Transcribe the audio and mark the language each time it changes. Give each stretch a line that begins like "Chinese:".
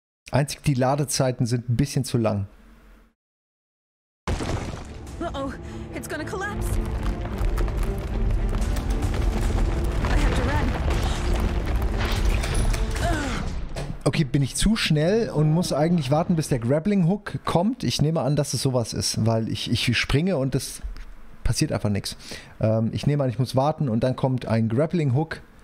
German: Einzig die Ladezeiten sind ein bisschen zu lang.
English: Uh-oh, it's gonna collapse. I have to run.
German: Okay, bin ich zu schnell und muss eigentlich warten, bis der Grappling Hook kommt? Ich nehme an, dass es sowas ist, weil ich springe und es passiert einfach nichts. Ich nehme an, ich muss warten und dann kommt ein Grappling Hook.